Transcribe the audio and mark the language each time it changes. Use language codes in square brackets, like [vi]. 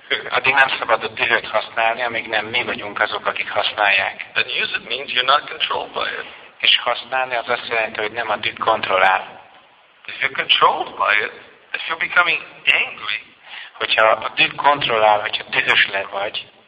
[hu] Addig nem szabad a dühöt használni, amíg nem mi vagyunk azok, akik használják. [en] Then use it means you're not controlled by it. [hu] És használni az azt jelenti, hogy nem a dühöt kontrollál. [en] If you're controlled by it, if you're becoming angry, [hu] hogyha a dühöt kontrollál, hogyha dühösler vagy,